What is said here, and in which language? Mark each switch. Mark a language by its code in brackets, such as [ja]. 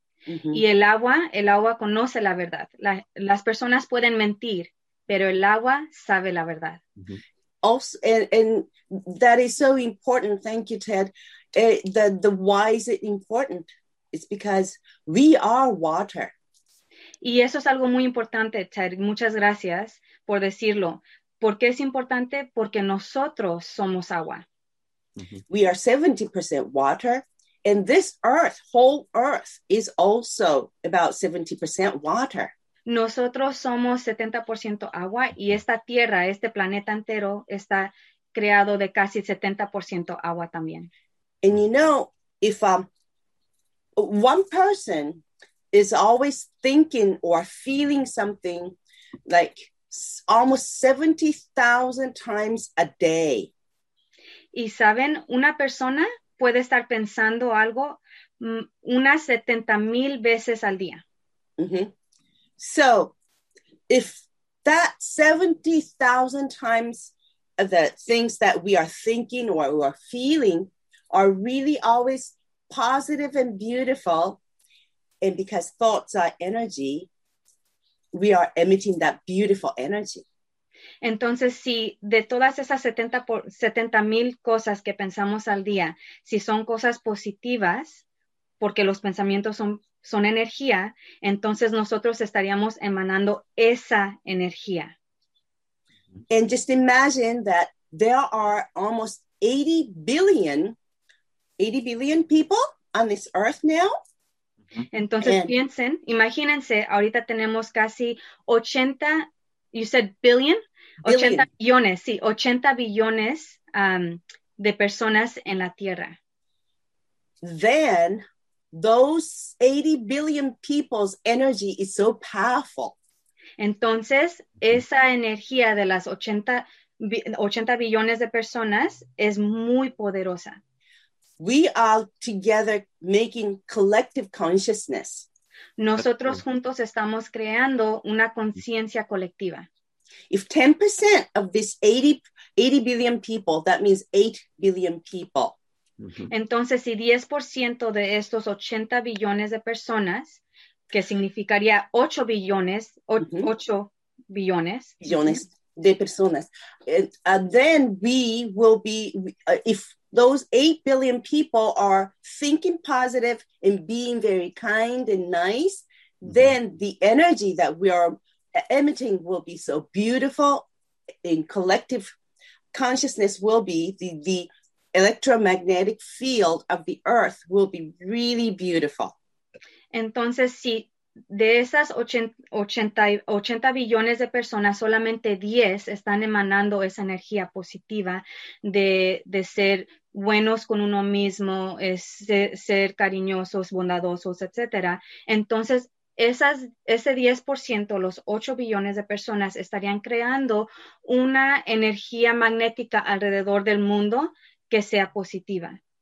[es] Y el agua conoce la verdad. Las personas pueden mentir, pero el agua sabe la verdad. [en] Also, and that is so important. Thank you, Ted. The why is it important? It's because we are water. [es] Y eso es algo muy importante, Ted. Muchas gracias por decirlo. ¿Por qué es importante? Porque nosotros somos agua. [en] We are 70% water. And this earth, whole earth, is also about 70% water. [es] Nosotros somos 70% agua, y esta tierra, este planeta entero, está creado de casi 70% agua también. [en] And you know, if one person is always thinking or feeling something like almost 70,000 times a day. [es] Y saben, una persona puede estar pensando algo unas 70,000 veces al día. [en] So, if that 70,000 times the things that we are thinking or we are feeling are really always positive and beautiful, and because thoughts are energy, we are emitting that beautiful energy. [es] Entonces, si de todas esas 70,000 cosas que pensamos al día, si son cosas positivas, porque los pensamientos son energía, entonces nosotros estaríamos emanando esa energía. [en] And just imagine that there are almost 80 billion people on this earth now. [es] Entonces imagínense, ahorita tenemos casi 80, [en] you said billion? [es] 80 billones, sí, 80 billones de personas en la Tierra. [en] Then, those 80 billion people's energy is so powerful. [es] Entonces, esa energía de las 80 billones de personas es muy poderosa. [en] We are together making collective consciousness. [es] Nosotros juntos estamos creando una conciencia colectiva. [en] If 10% of this 80 billion people, that means 8 billion people. [es] Entonces, si 10% de estos 80 billones de personas, que significaría 8 billones, 8 billones. Billones de personas. [en] Then we will be, if those 8 billion people are thinking positive and being very kind and nice, then the energy that we are emitting will be so beautiful, and collective consciousness will be the electromagnetic field of the earth will be really beautiful. [es] Entonces, si de esas 80 billones de personas, solamente 10 están emanando esa energía positiva de ser buenos con uno mismo, ser cariñosos, bondadosos, etcétera, entonces ese 10%, los 8 billones de personas, estarían creando una energía magnética alrededor del mundo que sea positiva.